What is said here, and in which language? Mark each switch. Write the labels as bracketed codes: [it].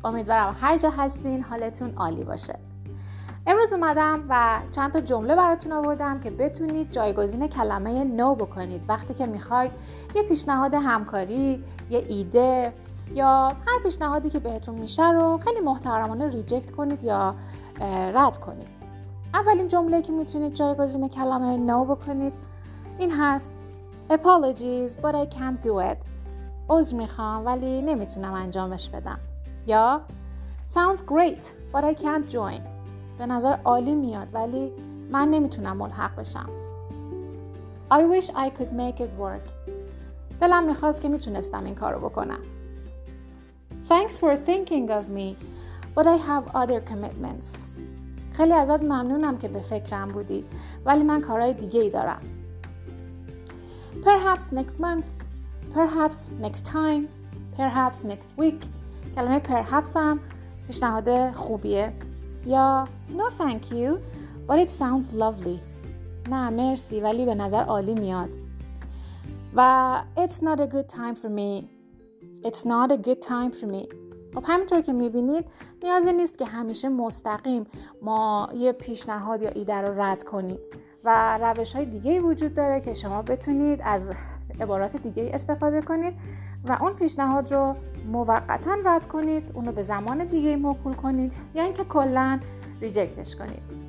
[fa] امیدوارم هر جا هستین حالتون عالی باشه. امروز اومدم و چند تا جمله براتون آوردم که بتونید جایگزین کلمه نو بکنید وقتی که میخواید یه پیشنهاد همکاری، یه ایده یا هر پیشنهادی که بهتون میشه رو خیلی محترمانه ریجکت کنید یا رد کنید. اولین جمله که میتونید جایگزین کلمه نو بکنید این هست [en] Apologies, but I can't do it. [fa] عذر میخوام ولی نمیتونم انجامش بدم. یا [en] Sounds great, but I can't join. [fa] به نظر عالی میاد ولی من نمیتونم ملحق بشم. [en] I wish I could make it work. [fa] دلم میخواست که میتونستم این کارو بکنم. [en] Thanks for thinking of me, but I have other commitments. [fa] خیلی ازت ممنونم که به فکرم بودی ولی من کارهای دیگه ای دارم. [en] Perhaps next month, perhaps next time, perhaps next week. [fa] کلمه perhaps هم پیشنهاد خوبیه. یا [en] no thank you, but it sounds lovely. [fa] نه مرسی ولی به نظر عالی میاد. و [en] it's not a good time for me. It's not a good time for me. [fa] خب همینطور که میبینید نیازی نیست که همیشه مستقیم ما یه پیشنهاد یا ایده رو رد کنیم. و روش های دیگه وجود داره که شما بتونید از عبارات دیگه استفاده کنید و اون پیشنهاد رو موقتاً رد کنید، اونو به زمان دیگه موکول کنید یا اینکه کلن ریجکتش کنید.